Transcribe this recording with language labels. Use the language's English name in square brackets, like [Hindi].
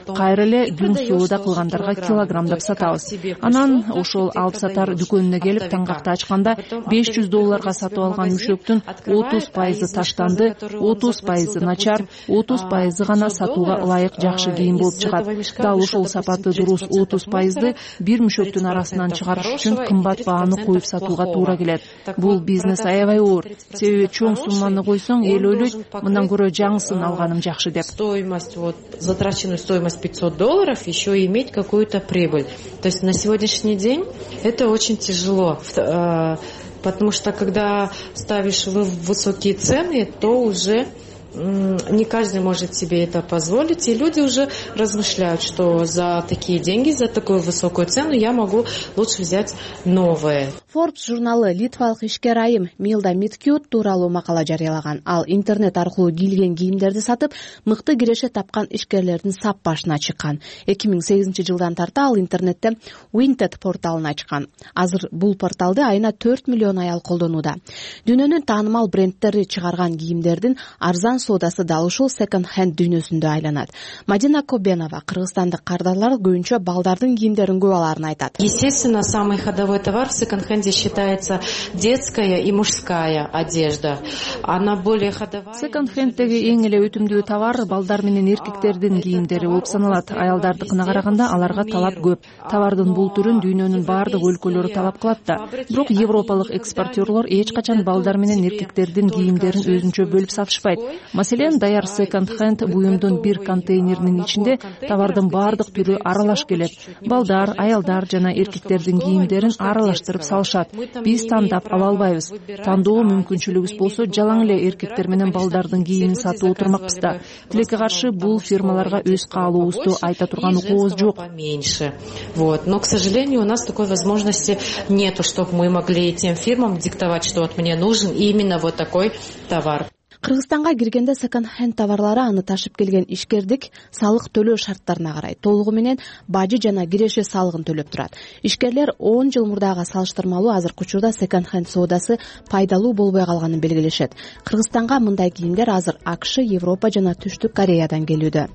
[Kyrgyz] Кайра эле дүн соода кылгандарга килограммдап сатабыз. Анан ошол алып сатар дүкөнүнө келип таңгакты ачканда 500 долларга сатып алган мүшөктүн 30% таштанды, 30% начар, 30% гана сатууга ылайык жакшы кийим болуп чыгат. Дал ошол сапаты дурус 30% бир мүшөк түн арасынан чыгарыш үчүн кымбат бааны коюп сатууга туура келет. Бул бизнес аябай оор. Себеби чоң сумманы койсоң, эл ойлойт, мындан көрө жаңысын алганым жакшы деп. [Russian] Стоимость, вот затраченную стоимость 500 долларов, еще иметь какую-то прибыль. То есть на сегодняшний день это очень тяжело. Потому что когда ставишь высокие цены, то уже не каждый может себе это позволить, и люди уже размышляют, что за такие деньги, за такую высокую цену я могу лучше взять новое. [Kyrgyz] Forbes журналы литвалык ишкер айым Милда Миткют тууралуу макала жарыялаган. Ал интернет аркылуу кийилген кийимдерди сатып, мыкты киреше тапкан ишкерлердин сап башына чыккан. 2008 жылдан тарта ал интернетте Vinted порталын ачкан. Азыр бул порталды айына 4 миллион аял колдонууда. Дүйнөнүн таанымал брендтери чыгарган кийимдердин арзан соодасы дал ушул секонд-хенд дүйнөсүндө айланат. Мадина Кобенова кыргызстандык кардарлар көбүнчө балдардын кийимдерин көп аларын айтат. [Russian] Естественно, самый ходовой товар в секонд-хенде считается детская и мужская одежда. Она более ходовая. [Kyrgyz] Секонд-хенддеги эң эле үтүмдүү товар балдар менен эркектердин кийимдери болуп саналат. Аялдардыкына караганда аларга талап көп. Товардын бул түрүн дүйнөнүн бардык өлкөлөрү талап кылат да. Бирок европалык экспортерлор эч качан балдар менен эркектердин кийимдерин өзүнчө бөлүп сатышпайт. Маселен, даяр секонд-хенд буюмдун бир контейнеринин ичинде товардын бардык түрү аралаш келет. Балдар, аялдар жана эркектердин кийимдерин аралаштырып салышат. Биз тандап ала албайбыз. Тандоо мүмкүнчүлүгүбүз болсо, жалаң эле эркектер менен балдардын кийимин сатып отурмакпыз да. Тилекке каршы, бул фирмаларга өз каалообузду айта турган укугубуз жок. [Russian] Вот. Но, к сожалению, у нас такой возможности нету, чтобы мы могли тем фирмам диктовать, что вот мне нужен именно вот такой товар. [Kyrgyz] Кыргызстанга киргенде секонд-хенд товарлары аны ташып келген ишкердик салык төлөө шарттарына карай толугу менен бажы жана киреше салыгын төлөп турат. Ишкерлер 10 жыл мурдагыга салыштырмалуу азыркы учурда секонд-хенд соодасы пайдалуу болбой калганын белгилешет. Кыргызстанга мындай кийимдер азыр АКШ, Европа жана Түштүк Кореядан келүүдө.